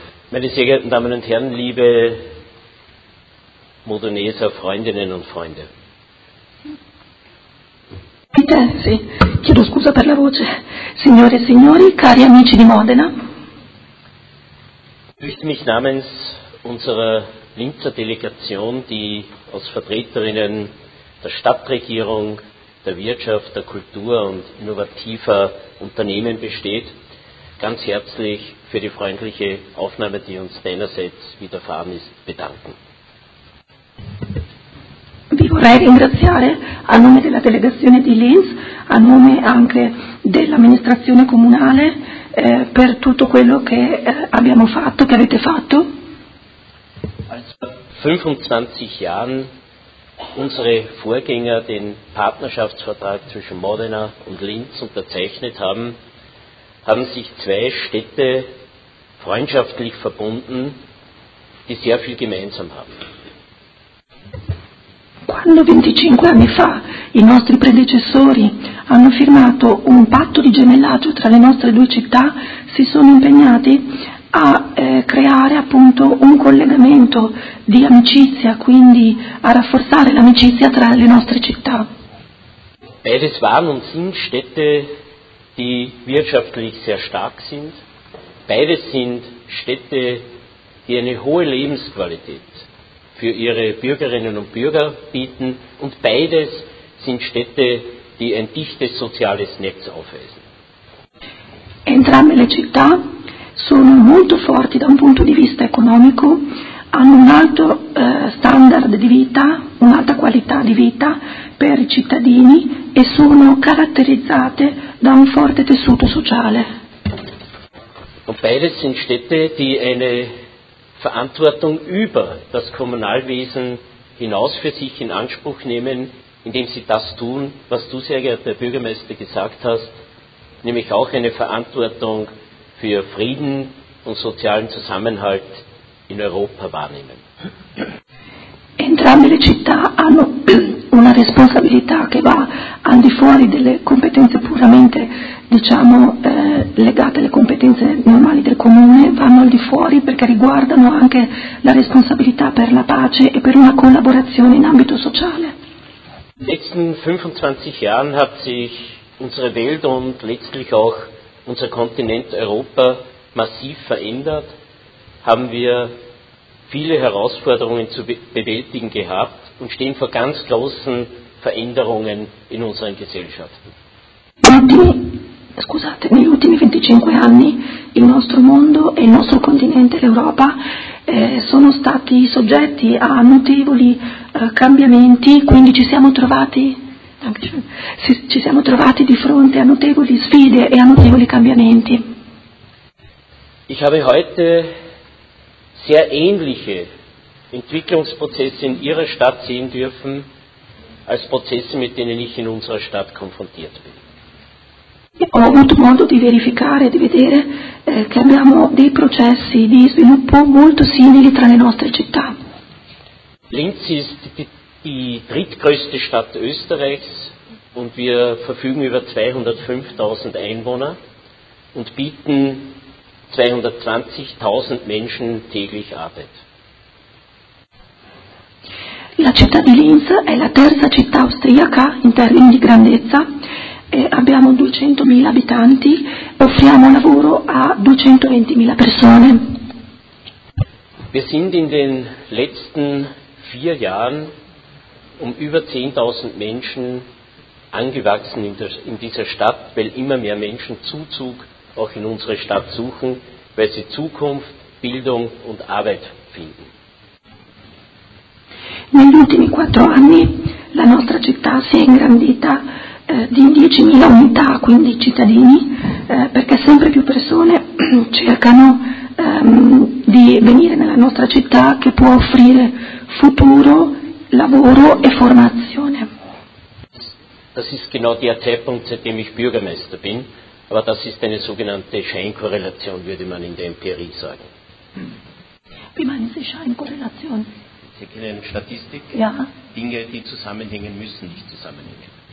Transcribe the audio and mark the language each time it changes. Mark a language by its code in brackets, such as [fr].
[de] Meine sehr Damen und Herren, liebe Moderneser Freundinnen und Freunde. [it] Vincenzi, chiedo scusa per la voce. Signore e signori, cari amici di Modena. [de] Ich möchte mich namens unserer Linzer Delegation, die aus Vertreterinnen der Stadtregierung, der Wirtschaft, der Kultur und innovativer Unternehmen besteht, ganz herzlich für die freundliche Aufnahme, die uns deinerseits widerfahren ist, bedanken. [it] Vi vorrei ringraziare a nome della delegazione di Linz, a nome anche dell'amministrazione comunale, per tutto quello che abbiamo fatto, che avete fatto. [de] Als vor 25 Jahren unsere Vorgänger den Partnerschaftsvertrag zwischen Modena und Linz unterzeichnet haben, haben sich zwei Städte freundschaftlich verbunden, die sehr viel gemeinsam haben. [it] Quando 25 anni fa i nostri predecessori hanno firmato un patto di gemellaggio tra le nostre due città, si sono impegnati a creare appunto un collegamento di amicizia, quindi a rafforzare l'amicizia tra le nostre città. [de] Beides waren und sind Städte, die wirtschaftlich sehr stark sind. Beides sind Städte, die eine hohe Lebensqualität für ihre Bürgerinnen und Bürger bieten, und beides sind Städte, die ein dichtes soziales Netz aufweisen. [it] Entrambe le città sono molto forti da un punto di vista economico, hanno un alto standard di vita, un'alta qualità di vita per i cittadini e sono caratterizzate da un forte tessuto sociale. [de] Und beides sind Städte, die eine Verantwortung über das Kommunalwesen hinaus für sich in Anspruch nehmen, indem sie das tun, was du, sehr geehrter Bürgermeister, gesagt hast, nämlich auch eine Verantwortung für Frieden und sozialen Zusammenhalt in Europa wahrnehmen. [it] Entrambe le città hanno una responsabilità che va al di fuori delle competenze puramente, diciamo, legate alle competenze normali del comune, vanno al di fuori perché riguardano anche la responsabilità per la pace e per una collaborazione in ambito sociale. [de] In letzten 25 Jahren hat sich unsere Welt und letztlich auch unser Kontinent Europa massiv verändert, haben wir viele Herausforderungen zu bewältigen gehabt und stehen vor ganz großen Veränderungen in unseren Gesellschaften. [it] Negli ultimi 25 anni il nostro mondo e il nostro continente, l'Europa, sono stati soggetti a notevoli cambiamenti, quindi ci siamo trovati di fronte a notevoli sfide e a notevoli cambiamenti. [de] Ich habe heute sehr ähnliche Entwicklungsprozesse in Ihrer Stadt sehen dürfen, als Prozesse, mit denen ich in unserer Stadt konfrontiert bin. [it] Ho avuto modo di verificare, di vedere che abbiamo dei processi di sviluppo molto simili tra le nostre città. [de] Linz ist die drittgrößte Stadt Österreichs und wir verfügen über 205.000 Einwohner und bieten 220.000 Menschen täglich Arbeit. [it] La città di Linz è la terza città austriaca in termini di grandezza. Abbiamo 200.000 abitanti, offriamo lavoro a 220.000 persone. [de] Wir sind in den letzten vier Jahren um über 10.000 Menschen angewachsen in dieser Stadt, weil immer mehr Menschen Zuzug auch in unsere Stadt suchen, weil sie Zukunft, Bildung und Arbeit finden. [it] Negli ultimi quattro anni la nostra città si è ingrandita di 10.000 unità, quindi cittadini, perché sempre più persone cercano di venire nella nostra città che può offrire futuro, lavoro e formazione. [de] Das ist genau der Zeitpunkt, seitdem ich Bürgermeister bin, aber das ist eine sogenannte Scheinkorrelation, würde man in der Empirie sagen. Wie meinen Sie Scheinkorrelation? Sie kennen Statistik? Ja. Dinge, die zusammenhängen, müssen nicht zusammenhängen.